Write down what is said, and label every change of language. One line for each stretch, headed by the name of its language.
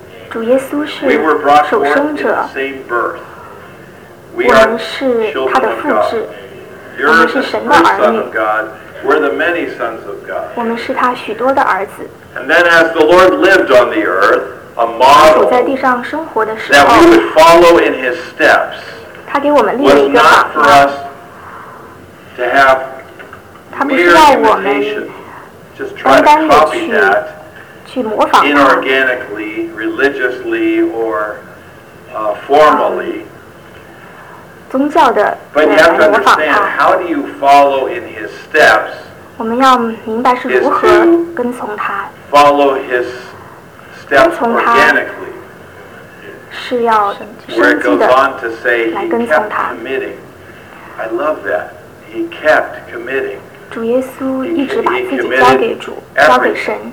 Chinese: 主耶稣是首生者，我们是他的复制，我们是神的儿女。
English: We're the many sons of God.
Chinese: 我们是他许多的儿子。
English: And then as the Lord lived on the earth, a model
Chinese: 在地上生活的时候,
English: that we would follow in his steps,
Chinese: 他给我们立了一个榜样,
English: was not for us to have mere imitation, just try to copy that inorganically, religiously, or formally.
Chinese: 宗教的
English: But you have to understand, how do you follow in his steps?
Chinese: 我们要明白是如何跟从他。
English: Follow his steps organically.
Chinese: 是要生计的来跟从他。
English: I love that. He kept committing.
Chinese: 主耶稣一直把自己交给主，交给神。